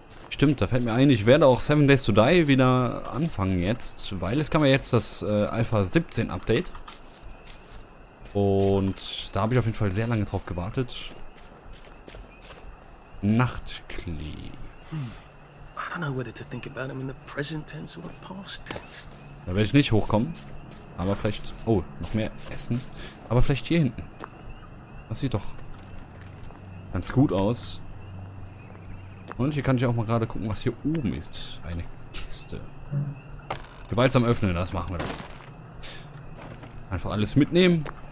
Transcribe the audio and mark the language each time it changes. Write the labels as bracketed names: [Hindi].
[German] stimmt, da fällt mir ein, ich werde auch 7 Days to Die wieder anfangen jetzt, weil es kam ja jetzt das Alpha 17 Update. Und da habe ich auf jeden Fall sehr lange drauf gewartet. Nachtklee. [English] I don't know whether to think about him in the present tense or the past tense. [German] Da werde ich nicht hochkommen. Aber vielleicht. Oh, noch mehr Essen. Aber vielleicht hier hinten. Das sieht doch ganz gut aus. Und hier kann ich auch mal gerade gucken, was hier oben ist. Eine Kiste. Gewaltsam öffnen, das machen wir dann. Einfach alles mitnehmen.